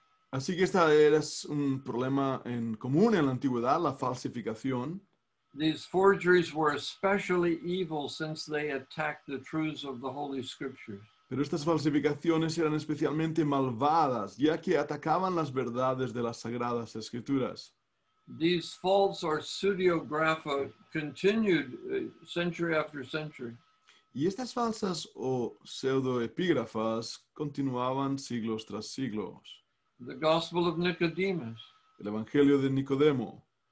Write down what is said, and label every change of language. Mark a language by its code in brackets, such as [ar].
[es] Así que esta era un problema en común en la antigüedad, la falsificación. [en] These forgeries were especially evil since they attacked the truths of the Holy Scriptures. [es] Pero estas falsificaciones eran especialmente malvadas, ya que atacaban las verdades de las Sagradas Escrituras. [en] These false or pseudographa continued century after century. [es] Y estas falsas o pseudoepígrafas continuaban siglos tras siglos. [en] The Gospel of Nicodemus. [es] El Evangelio de Nicodemo.